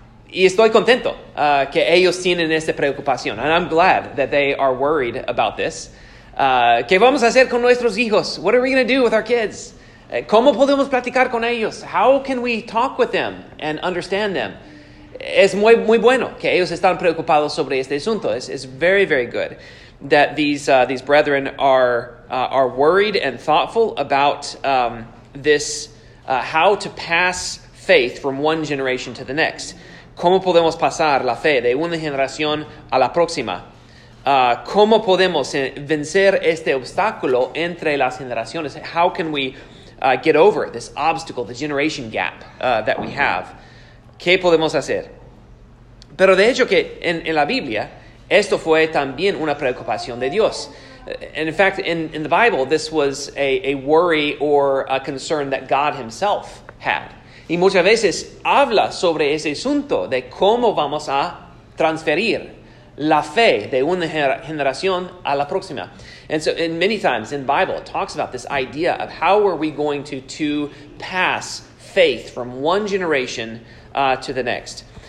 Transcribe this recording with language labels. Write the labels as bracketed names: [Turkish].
[Spanish] Y estoy contento que ellos tienen esta preocupación. [English] And I'm glad that they are worried about this. [Spanish] ¿Qué vamos a hacer con nuestros hijos? [English] What are we going to do with our kids? [Spanish] ¿Cómo podemos platicar con ellos? [English] How can we talk with them and understand them? [Spanish] Es muy, muy bueno que ellos están preocupados sobre este asunto. [English] Es very, very good that these brethren are worried and thoughtful about how to pass faith from one generation to the next. [Spanish] ¿Cómo podemos pasar la fe de una generación a la próxima? ¿Cómo podemos vencer este obstáculo entre las generaciones? [English] How can we get over this obstacle, the generation gap that we have? [Spanish] ¿Qué podemos hacer? Pero de hecho que en la Biblia, esto fue también una preocupación de Dios. [English] And in fact, in the Bible, this was a worry or a concern that God himself had. [Spanish] Y muchas veces habla sobre ese asunto de cómo vamos a transferir la fe de una generación a la próxima. [English] And so, and many times in the Bible, it talks about this idea of how are we going to pass faith from one generation to the next.